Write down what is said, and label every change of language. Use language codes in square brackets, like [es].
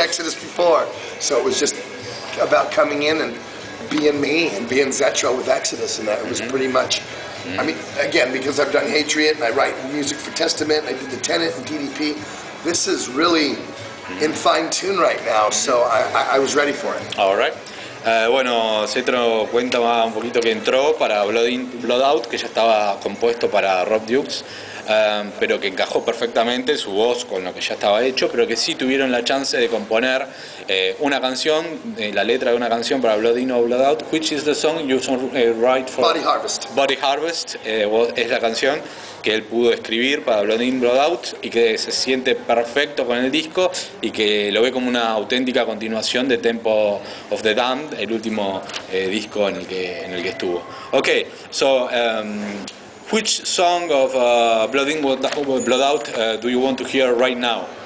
[en] Exodus before, so it was just about coming in and being me and being Zetro with Exodus, and that it was pretty much. Mm-hmm. I mean, again, because I've done Hatriot and I write music for Testament, and I did the Tenet and DDP. This is really in fine tune right now, so I was ready for it. All right. [es] Bueno, Cetro cuenta un poquito que entró para Blood In, Blood Out, que ya estaba compuesto para Rob Dukes. Pero que encajó perfectamente su voz con lo que ya estaba hecho, pero que sí tuvieron la chance de componer una canción, la letra de una canción para Blood In or Blood Out, [en] which is the song you write for Body Harvest. [es] Body Harvest es la canción que él pudo escribir para Blood In, Blood Out, y que se siente perfecto con el disco, y que lo ve como una auténtica continuación de Temple of the Damned, el último disco en el que estuvo. [en] Ok, so which song of Blood In, Blood Out do you want to hear right now?